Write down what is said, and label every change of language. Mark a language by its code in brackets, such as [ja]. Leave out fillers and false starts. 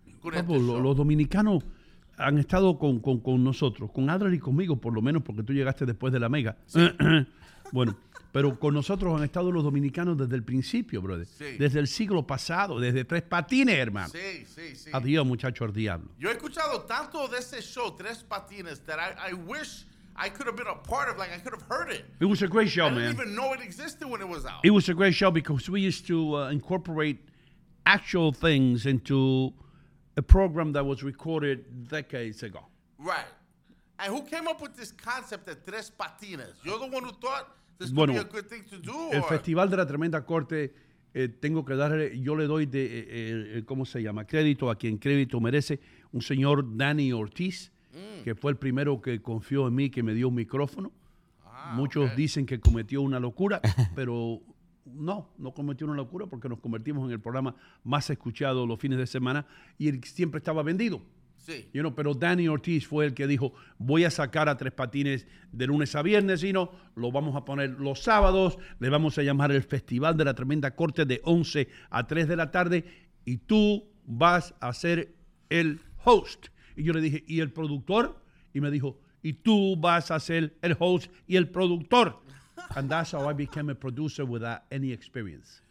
[es] Papo, los dominicanos han estado con nosotros, con Adler y conmigo, por lo menos, porque tú llegaste después de la mega. Sí. Bueno, pero con nosotros han estado los dominicanos desde el principio, brother. Sí. Desde el siglo pasado, desde Tres Patines, hermano. Sí, sí, sí. Adiós, muchacho, al diablo. Yo he escuchado tanto de ese show, [en] Tres Patines, that I wish I could have been a part of, like I could have heard it. It was a great show, man. I didn't even know it existed when it was out. It was a great show because we used to incorporate actual things into a program that was recorded decades ago. Right. And who came up with this concept of Tres Patines? You're the one who thought this would be a good thing to do? [es] El Festival de la Tremenda Corte, tengo que darle, yo le doy de, ¿cómo se llama? Crédito a quien crédito merece, un señor Danny Ortiz, que fue el primero que confió en mí, que me dio un micrófono. Muchos dicen que cometió una locura, pero No cometió una locura porque nos convertimos en el programa más escuchado los fines de semana y él siempre estaba vendido. Sí. [en] You know, [es] pero Danny Ortiz fue el que dijo, voy a sacar a Tres Patines de lunes a viernes, y no, lo vamos a poner los sábados, le vamos a llamar el Festival de la Tremenda Corte de 11 a 3 de la tarde y tú vas a ser el host. Y yo le dije, ¿y el productor? Y me dijo, y tú vas a ser el host y el productor. [en] And that's how I became a producer without any experience.